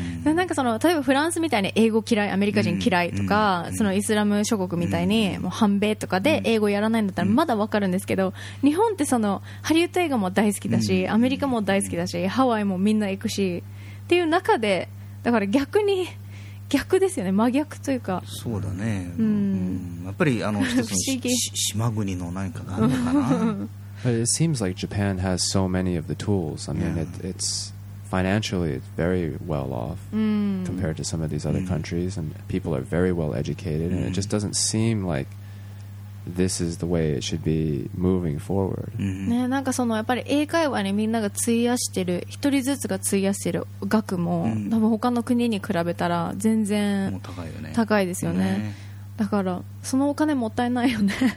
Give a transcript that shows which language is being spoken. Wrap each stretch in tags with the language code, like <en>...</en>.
<ja>なんかその例えばフランスみたいに英語嫌い、アメリカ人嫌いとか、そのイスラム諸国みたいにもう反米とかで英語やらないんだったらまだわかるんですけど、日本ってそのハリウッド映画も大好きだし、アメリカも大好きだし、ハワイもみんな行くしっていう中で、だから逆ですよね、真逆というか。そうだね、やっぱりあの一つの島国の何かがあるのかな。</ja> <en>But it seems like Japan has so many of the tools. I mean, it's financially it's very well off compared to some of these other countries, and people are very well educated, and it just doesn't seem like this is the way it should be moving forward.</en> <ja>ね、なんかそのやっぱり英会話にみんなが費やしてる、一人ずつが費やしてる額も、多分他の国に比べたら全然もう高いよね。高いですよね。だからそのお金もったいないよね。</ja>